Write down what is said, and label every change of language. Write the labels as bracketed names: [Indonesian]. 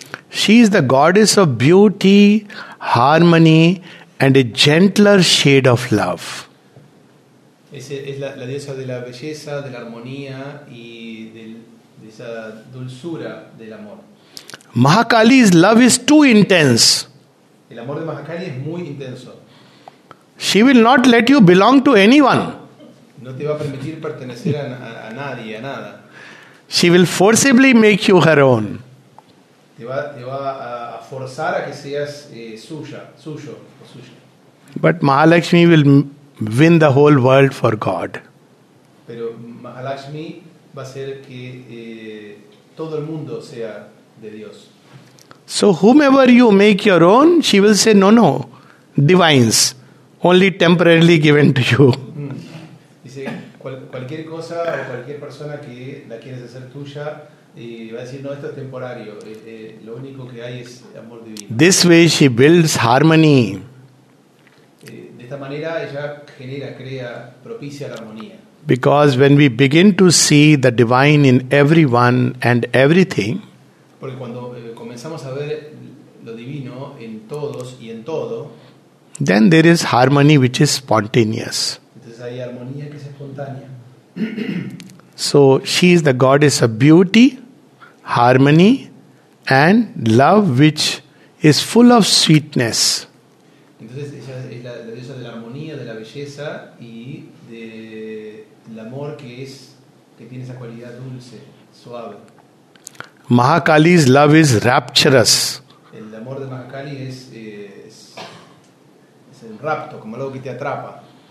[English] She is the goddess of beauty, harmony, and a gentler shade of love. [Spanish] Es la diosa de la belleza, de la armonía y de esa dulzura del amor. [English] Mahakali's love is too intense. [Spanish] El amor de Mahakali es muy intenso. [English] She will not let you belong to anyone. [Spanish] No te va a permitir pertenecer a nadie, a nada. [English] She will forcibly make you her own. [Spanish] Te va a forzar a que seas suya, suyo o suya. [English] But Mahalakshmi will win the whole world for God. [Spanish] Pero Mahalakshmi va a ser que todo el mundo sea de Dios. [English] So whomever you make your own, she will say no, divines, only temporarily given to you. [Spanish] Dice cualquier cosa o cualquier persona que la quieres hacer tuya va a decir no, esto es temporario. Lo único que hay es amor divino. [English] This way she builds harmony. [Spanish] De esta manera ella genera, crea, propicia la armonía. [English] Because when we begin to see the divine in everyone and everything, [Spanish] porque cuando comenzamos a ver lo divino en todos y en todo, [English] then there is harmony which is spontaneous. [Spanish] Entonces hay armonía que es espontánea. [English] So she is the goddess of beauty, harmony, and love which is full of sweetness. [Spanish] Entonces ella es la diosa de la armonía, de la belleza y del amor que tiene esa cualidad dulce, suave. [English] Mahakali's love is rapturous. [Spanish] El amor de Mahakali es el rapto, como algo que te atrapa.